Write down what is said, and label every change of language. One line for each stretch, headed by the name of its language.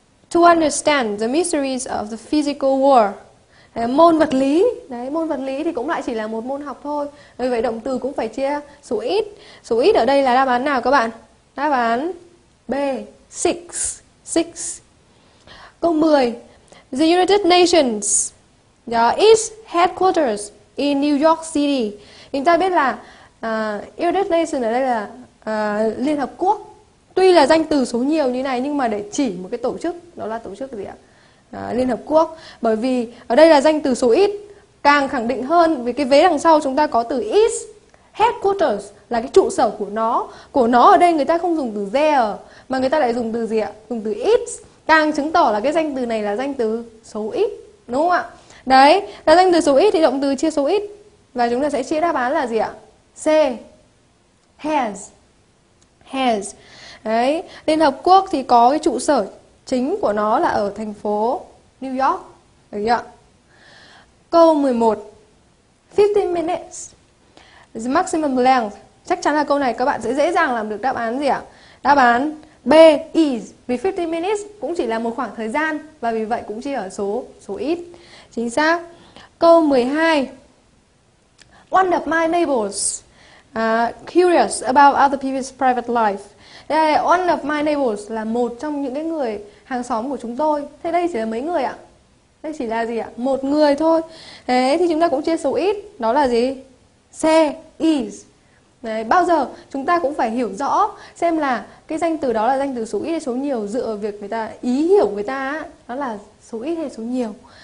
English: To understand the mysteries of the physical world.
Vietnamese: Đấy, môn vật lý. Đấy, môn vật lý thì cũng lại chỉ là một môn học thôi. Vì vậy động từ cũng phải chia số ít. Số ít ở đây là đáp án nào các bạn? Đáp án B. Six. Six. Câu 10.
English: The United Nations is headquarters in New York City.
Vietnamese: Chúng ta biết là United Nations ở đây là Liên Hợp Quốc. Tuy là danh từ số nhiều như này nhưng mà để chỉ một cái tổ chức, đó là tổ chức gì ạ? Liên Hợp Quốc. Bởi vì ở đây là danh từ số ít, càng khẳng định hơn vì cái vế đằng sau chúng ta có từ is. Headquarters là cái trụ sở của nó. Của nó ở đây người ta không dùng từ there mà người ta lại dùng từ gì ạ? Dùng từ is. Càng chứng tỏ là cái danh từ này là danh từ số ít. Đúng không ạ? Đấy, là danh từ số ít thì động từ chia số ít. Và chúng ta sẽ chia đáp án là gì ạ? C. Has. Has. Đấy, Liên Hợp Quốc thì có cái trụ sở chính của nó là ở thành phố New York. Được chưa? Câu 11.
English: 15 minutes the maximum length.
Vietnamese: Chắc chắn là câu này các bạn sẽ dễ dàng làm được đáp án gì ạ? Đáp án B is. Vì
English: 15 minutes
Vietnamese: cũng chỉ là một khoảng thời gian và vì vậy cũng chỉ ở số ít. Chính xác. Câu 12.
English: One of my neighbors curious about other people's private life.
Vietnamese: Đây,
English: one of my neighbors
Vietnamese: là một trong những cái người hàng xóm của chúng tôi. Thế đây chỉ là mấy người ạ? Đây chỉ là gì ạ? Một người thôi. Thế thì chúng ta cũng chia số ít. Đó là gì? C. Is. Đấy, bao giờ chúng ta cũng phải hiểu rõ xem là cái danh từ đó là danh từ số ít hay số nhiều dựa vào việc người ta ý hiểu người ta đó là số ít hay số nhiều.